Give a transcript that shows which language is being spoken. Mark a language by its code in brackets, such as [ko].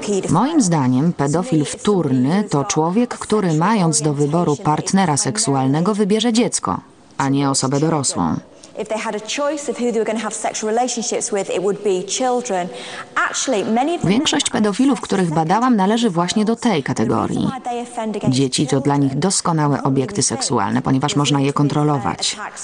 [pl] Moim zdaniem pedofil wtórny to człowiek, który mając do wyboru partnera seksualnego wybierze dziecko, a nie osobę dorosłą. [en] If they had a choice of who they were going to have sexual relationships with, it would be children. [pl] Większość pedofilów, których badałam, należy właśnie do tej kategorii. Dzieci to dla nich doskonałe obiekty seksualne, ponieważ można je kontrolować.